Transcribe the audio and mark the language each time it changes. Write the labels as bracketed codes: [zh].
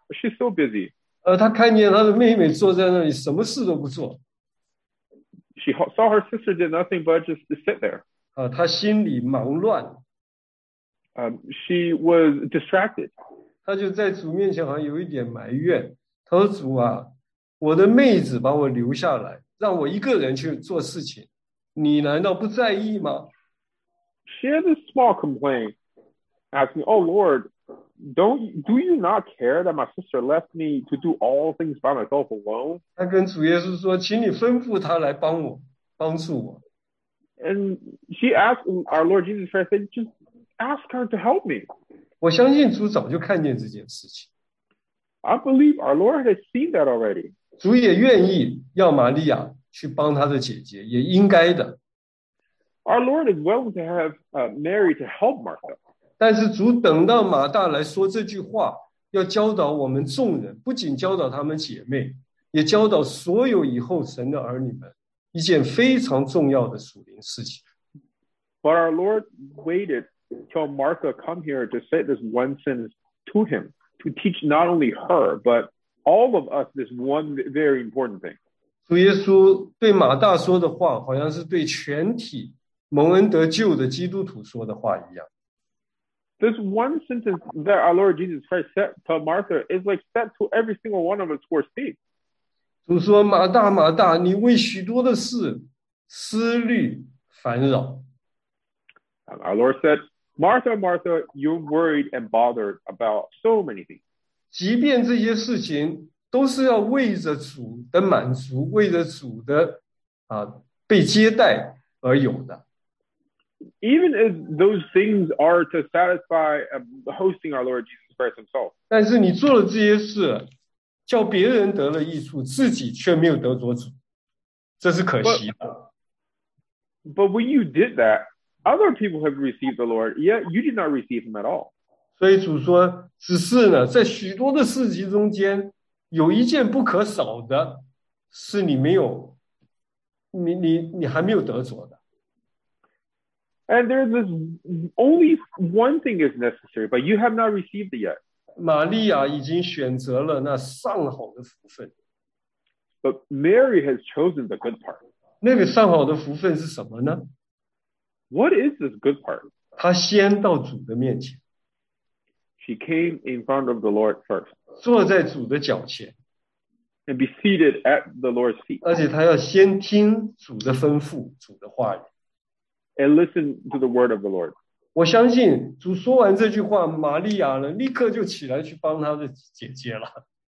[en] She's so busy. [zh] 她看见她的妹妹坐在那里，什么事都不做。 [en] She saw her sister did nothing but just sit there. [zh] 她心里忙乱。 [en] She was distracted. [zh] 她就在主面前好像有一点埋怨。她说：“主啊，我的妹子把我留下来，让我一个人去做事情，你难道不在意吗？” [en] She had a small complaint, asking, "Oh Lord, do you not care that my sister left me to do all things by myself alone?" [zh] 她跟主耶稣说：“请你吩咐她来帮我，帮助我。” [en] And she asked our Lord Jesus Christ, "Just ask her to help me." [zh] 我相信主早就看见这件事情。 [en] I believe our Lord has seen that already. [zh] 主也愿意要玛利亚去帮她的姐姐，也应该的。 [en] Our Lord is willing to have Mary to help Martha. [zh] 但是主等到马大来说这句话，要教导我们众人，不仅教导他们姐妹，也教导所有以后神的儿女们一件非常重要的属灵事情。 [en] But our Lord waited till Martha come here to say this one sentence to him, to teach not only her, but all of us this one very important thing. [zh] 主耶稣对马大说的话，好像是对全体蒙恩得救的基督徒说的话一样。 [en] This one sentence that our Lord Jesus Christ said to Martha is like said to every single one of us who are saved. [zh] 主说：“马大，马大，你为许多的事思虑烦扰。” [en] Our Lord said, "Martha, Martha, you're worried and bothered about so many things." [zh] 即便这些事情都是要为着主的满足，为着主的被接待而有的。 [en] Even if those things are to satisfy hosting our Lord Jesus Christ himself. [zh] 但是你做了这些事，叫别人得了益处，自己却没有得着主，这是可惜的。 [en] But when you did that, other people have received the Lord, yet you did not receive him at all. [zh] 所以主说，只是呢，在许多的事情中间，有一件不可少的，是你没有，你还没有得着的。 [en] And there's this only one thing is necessary, but you have not received it yet. [zh] 玛利亚已经选择了那上好的福分。 [en] But Mary has chosen the good part. [zh] 那个上好的福分是什么呢？ [en] What is this good part? [zh] 她先到主的面前。 [en] She came in front of the Lord first. [zh] 坐在主的脚前。 [en] And be seated at the Lord's feet. [zh] 而且她要先听主的吩咐，主的话语。 [en] And listen to the word of the Lord. [zh] 我相信主说完这句话，玛利亚呢立刻就起来去帮她的姐姐了。